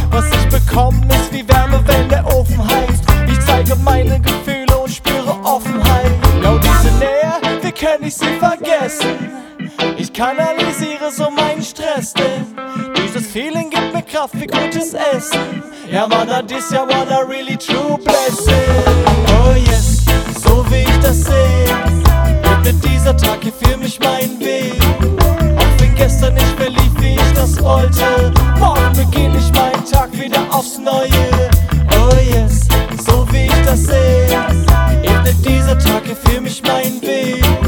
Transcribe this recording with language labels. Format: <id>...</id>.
<de>Was ich bekomme, ist wie Wärme, wenn der Ofen heizt. Ich zeige meine Gefühle und spüre Offenheit. Genau diese Nähe, wie kann ich sie vergessen? Ich kanalisiere so meinen Stress, denn dieses Feeling gibt mir Kraft wie gutes Essen.</de> <en>Ja, man, that is ja one a really true blessing. Oh yes,</en> <de>so wie ich das seh, ebnet dieser Tag hier für mich meinen Weg. Auch wenn gestern nicht mehr lief, wie ich das wollte, morgen beginn ich meinen Tag wieder aufs Neue.</de> <en>Oh yes,</en> <de>so wie ich das seh, ebnet dieser Tag hier für mich meinen Weg.</de>